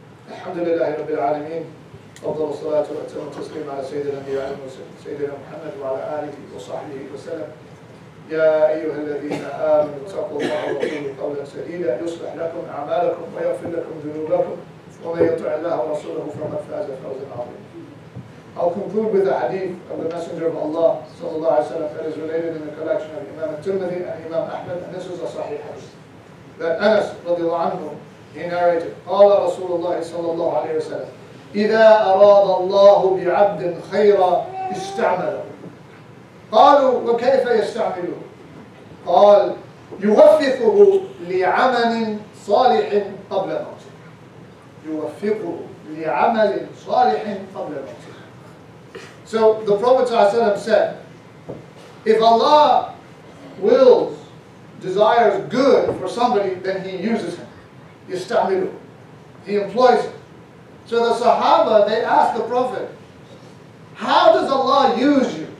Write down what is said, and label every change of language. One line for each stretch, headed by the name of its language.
Arabic: الحمد لله رب العالمين أفضل الصلاة وأتم التسليم على سيدنا النبي سيدنا محمد وعلى آله وصحبه وسلم. يا أيها الذين آمنوا اتقوا الله وقولوا قولا سديدا يصلح لكم أعمالكم ويغفر لكم ذنوبكم ومن يطع الله ورسوله فقد فاز فوزا عظيما.
English: I'll conclude with a hadith of the Messenger of Allah صلى الله عليه وسلم that is related in the collection of Imam al-Tirmidhi and Imam Ahmad, and this is a sahih hadith that Anas رضي الله عنه he narrated,
Arabic: قال رسول الله صلى الله عليه وسلم إذا أراد الله بعبد خيرا استعمله. قالوا وكيف يستعمله؟ قال يوفقه لعمل صالح قبل موته. يوفقه لعمل صالح قبل موته.
English: So the Prophet صلى الله عليه وسلم said, if Allah wills, desires good for somebody, then he uses him. يستعمله. He employs him. So the Sahaba, they asked the Prophet, how does Allah use you?